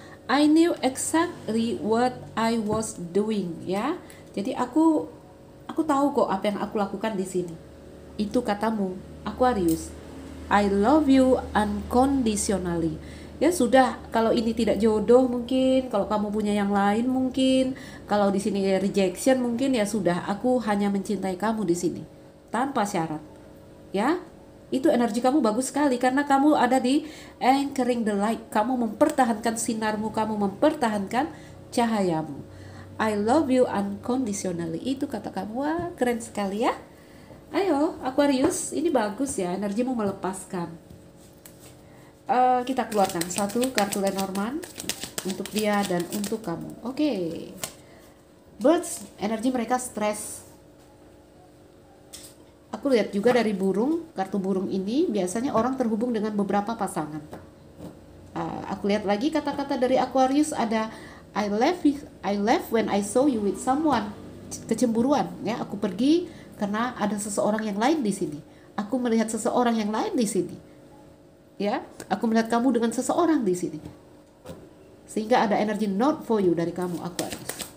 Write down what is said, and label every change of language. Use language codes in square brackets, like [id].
[en] I knew exactly what I was doing, ya. [id] Jadi aku tahu kok apa yang aku lakukan di sini. Itu katamu, [en] Aquarius. I love you unconditionally. [id] Ya sudah, kalau ini tidak jodoh mungkin, kalau kamu punya yang lain mungkin, kalau di sini rejection mungkin, ya sudah, aku hanya mencintai kamu di sini tanpa syarat. Ya. Itu energi kamu bagus sekali karena kamu ada di [en] anchoring the light. [id] Kamu mempertahankan sinarmu, kamu mempertahankan cahayamu. [en] I love you unconditionally. [id] Itu kata kamu. Wah, keren sekali ya. Ayo, Aquarius, ini bagus ya, energimu melepaskan. Kita keluarkan satu kartu Lenormand untuk dia dan untuk kamu. Oke. Okay. Birds, energi mereka stres. Aku lihat juga dari burung, kartu burung ini, biasanya orang terhubung dengan beberapa pasangan. Aku lihat lagi kata-kata dari Aquarius, ada [en] I left when I saw you with someone. [id] Kecemburuan, ya, aku pergi karena ada seseorang yang lain di sini. Aku melihat seseorang yang lain di sini. Ya, aku melihat kamu dengan seseorang di sini. Sehingga ada energi [en] not for you [id] dari kamu, Aquarius.